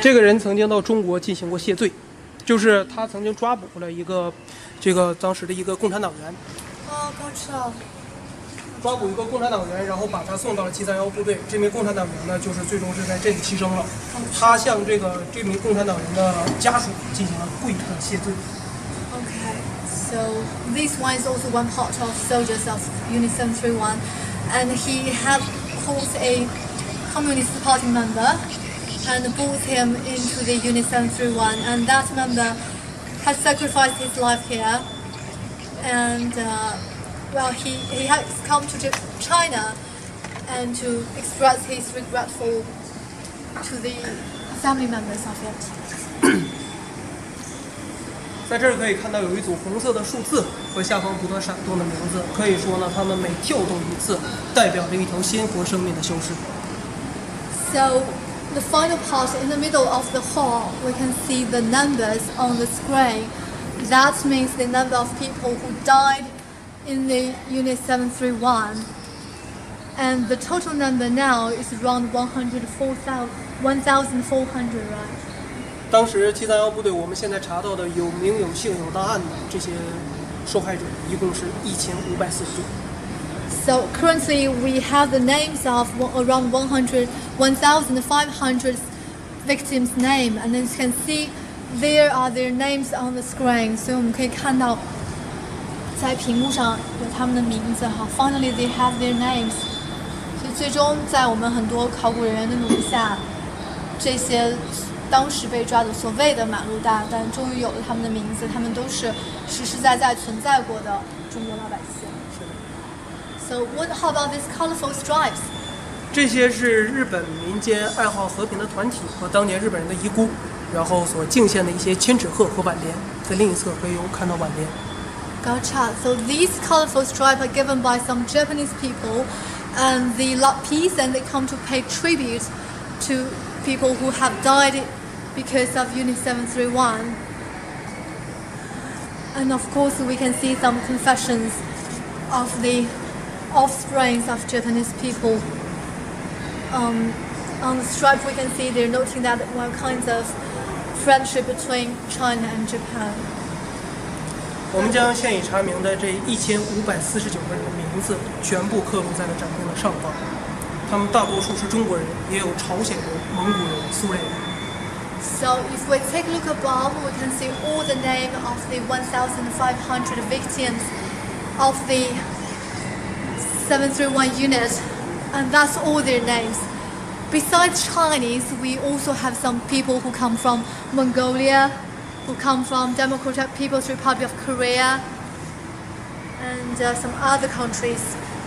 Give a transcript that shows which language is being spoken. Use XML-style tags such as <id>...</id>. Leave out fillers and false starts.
<zh>这个人曾经到中国进行过谢罪，就是他曾经抓捕了一个，这个当时的一个共产党员。哦，抓捕一个共产党员，然后把他送到了731部队。这名共产党员呢，就是最终是在这里牺牲了。他向这名共产党员的家属进行了跪拜谢罪。</zh> <en>So this one is also one part of soldiers of Unit 731, and he had caught a Communist Party member and brought him into the Unit 731, and that member had sacrificed his life here, and he has come to China and to express his regret for to the family members of it.</en> <zh>在这儿可以看到有一组红色的数字和下方不断闪动的名字，可以说呢，他们每跳动一次，代表着一条鲜活生命的消失。</zh> <en>So, the final part in the middle of the hall, we can see the numbers on the screen. That means the number of people who died in the Unit 731, and the total number now is around 1,400, right?</en> <zh>当时731部队，我们现在查到的有名有姓有档案的这些受害者，一共是1549。</zh> <en>So currently we have the names of around 1,500 victims' name, and as you can see, there are their names on the screen.</en> <zh>所以我们可以看到，在屏幕上有他们的名字哈。</zh> <en>Finally, they have their names.</en> <zh>所以最终，在我们很多考古人员的努力下，这些。当时被抓的所谓的满陆大，但终于有了他们的名字，他们都是实实在在存在过的中国老百姓。</zh> <en>So what? How about these colorful stripes?</en> <zh>这些是日本民间爱好和平的团体和当年日本人的遗孤，然后所敬献的一些千纸鹤和挽联，在另一侧可以看到挽联。</zh> <en>Gotcha. So these colorful stripes are given by some Japanese people, and they love peace and they come to pay tribute to. People who have died because of Unit 731, and of course we can see some confessions of the offsprings of Japanese people. On the stripe, we can see they're noting that one kind of friendship between China and Japan.</en> <zh>我们将现已查明的这1549个人的名字全部刻录在了展柜的上方。他们大多数是中国人，也有朝鲜人、蒙古人、苏联人。</zh> <en>So if we take a look above, we can see all the name of the 1,500 victims of the 731 unit, and that's all their names. Besides Chinese, we also have some people who come from Mongolia, who come from Democratic People's Republic of Korea, and some other countries.</en>